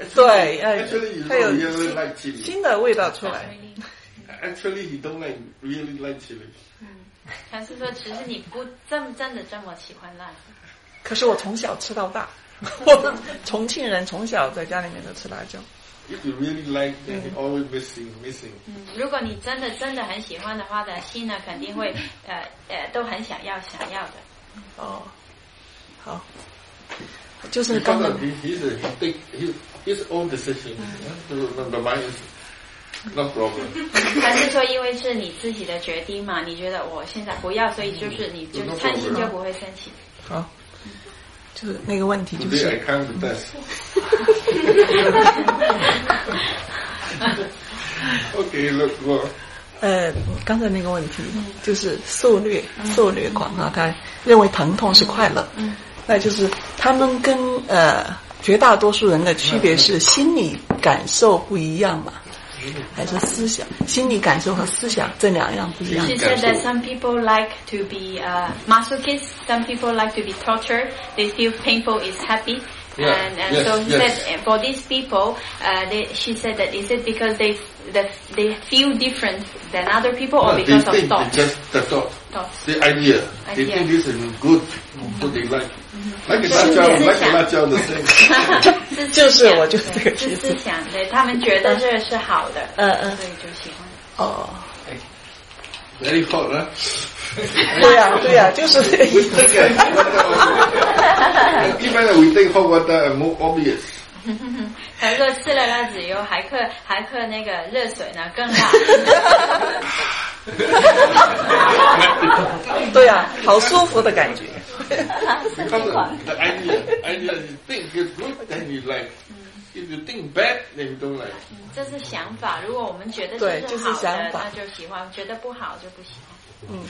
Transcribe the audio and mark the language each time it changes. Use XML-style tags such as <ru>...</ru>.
<zh>对，哎，它有新的味道出来。</zh> <en>Actually, he don't like really like chili.</en> <zh>禅师说：“其实你不真的这么喜欢辣椒，可是我从小吃到大，我重庆人从小在家里面都吃辣椒。</zh> <en>If you really like, then you always missing.</en> <zh>如果你真的很喜欢的话，的心呢肯定会都很想要的。哦，好，就是刚刚</zh> <en>he's own decision. The mind is. No problem.</en> <zh>还是说因为是你自己的决定嘛，你觉得我现在不要，所以就是你就是贪心就不会生气。好，就是那个问题就是。</zh> <en>Today I can't do this. Okay, look, go.</en> <zh>刚才那个问题就是受虐狂啊，他认为疼痛是快乐。那就是他们跟绝大多数人的区别是心理感受不一样嘛。还是思想，心理感受和思想这两样不一样。</zh> <en>She said that some people like to be masochists, some people like to be tortured. They feel painful is happy, and so he said for these people, she said that is it because they feel different than other people or because of thoughts? Just the thoughts, the idea. They think this is good, so they like. Like</en> <zh>辣椒，</zh> <en>like</en> <zh>辣椒的声音，就是我就是这个意思。思想，对他们觉得这是好的，所以就喜欢。哦</zh> <en>，very hot</en> <zh>呢？对呀，就是这个。一般的</zh> <en>，we think hot water are more obvious。</en> <zh>还说吃了辣子以后，还喝那个热水呢，更辣。对呀，好舒服的感觉。</zh> <en>Because the idea is you think it's good, then you like. If you think bad, then you don't like.</en> <zh>这是想法，如果我们觉得这是好的，对，就是想法，那就喜欢；觉得不好就不喜欢。</zh>